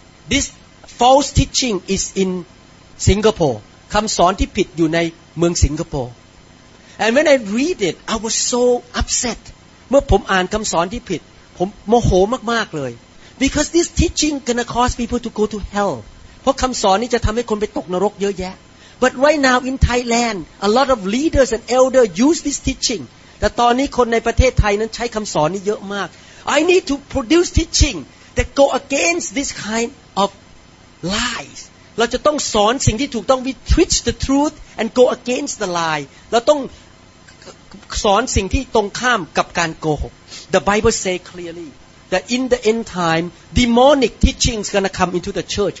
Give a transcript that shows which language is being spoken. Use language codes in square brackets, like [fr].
[en] this false teaching is in Singapore [th] คำสอนที่ผิดอยู่ในเมืองสิงคโปร์ [en] and when I read it I was so upset [th] เมื่อผมอ่านคำสอนที่ผิดผมโมโหมากๆเลย [en] Because this teaching gonna cause people to go to hell. [th] เพราะคำสอนนี้จะทำให้คนไปตกนรกเยอะแยะ [en] But right now in Thailand, a lot of leaders and elders use this teaching. [th] แต่ตอนนี้คนในประเทศไทยนั้นใช้คำสอนนี้เยอะมาก [en] I need to produce teaching that go against this kind of lies. [th] เราจะต้องสอนสิ่งที่ถูกต้อง [en] We teach the truth and go against the lie. [th] เราต้องสอนสิ่งที่ตรงข้ามกับการโกหก [en] The Bible says clearly that in the end time, demonic teachings gonna come into the church.